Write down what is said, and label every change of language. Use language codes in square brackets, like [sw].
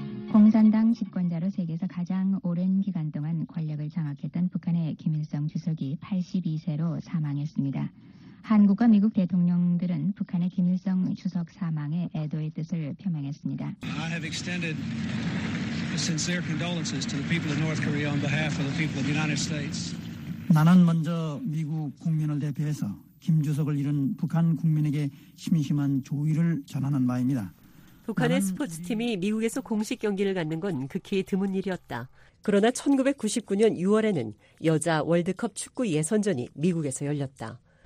[ko] 공산당 집권자로 세계에서 가장 오랜 기간 동안 권력을 장악했던 북한의 김일성 주석이 82세로 사망했습니다. 한국과 미국 대통령들은 북한의 김일성 주석 사망에 애도의 뜻을 표명했습니다. [en] I have extended sincere condolences to the people of North Korea on behalf of the people of the United States. [ko] 나는 먼저 미국 국민을 대표해서 김주석을 잃은 북한 국민에게 심심한 조의를 전하는 바입니다. 북한의 스포츠팀이 미국에서 공식 경기를 갖는 건 극히 드문 일이었다. 그러나 1999년 6월에는 여자 월드컵 축구 예선전이 미국에서 열렸다.